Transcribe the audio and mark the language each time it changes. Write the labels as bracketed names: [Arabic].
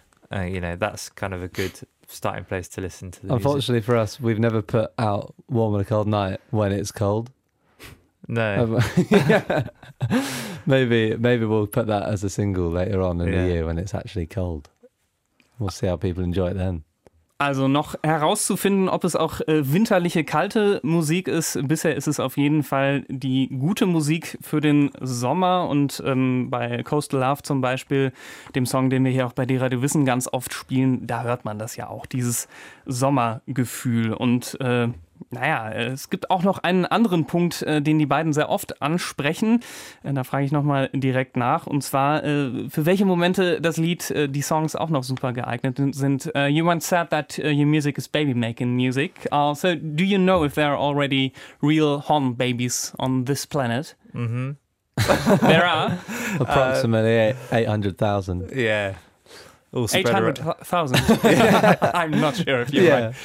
[English] You know, that's kind of a good starting place to listen to the Unfortunately music. For us, we've never put out Warm on a Cold Night when it's cold. No. maybe we'll put that as a single later on in the year when it's actually cold. We'll see how people enjoy it then. [German] Also noch herauszufinden, ob es auch winterliche kalte Musik ist. Bisher ist es auf jeden Fall die gute Musik für den Sommer. Und bei Coastal Love zum Beispiel, dem Song, den wir hier auch bei D Radio Wissen ganz oft spielen, da hört man das ja auch, dieses Sommergefühl. Und naja, es gibt auch noch einen anderen Punkt, den die beiden sehr oft ansprechen. Da frage ich nochmal direkt nach. Und zwar, für welche Momente das Lied, die Songs auch noch super geeignet sind. [English] You once said that your music is baby-making music. So do you know if there are already real horn babies on this planet? Mm-hmm. There are. Approximately 800,000. Yeah. 800,000. Yeah. I'm not sure if you're right.